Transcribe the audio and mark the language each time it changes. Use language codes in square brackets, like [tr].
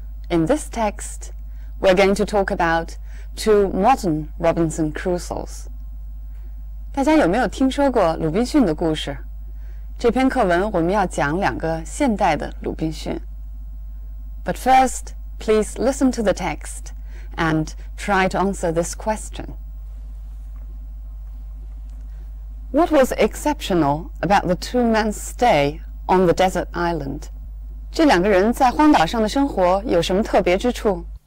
[en] In this text, we're going to talk about two modern Robinson Crusoes. [zh] 大家有没有听说过鲁滨逊的故事？这篇课文我们要讲两个现代的鲁滨逊。 [en] But first, please listen to the text and try to answer this question. What was exceptional about the two men's stay on the desert island? [zh] 这两个人在荒岛上的生活有什么特别之处？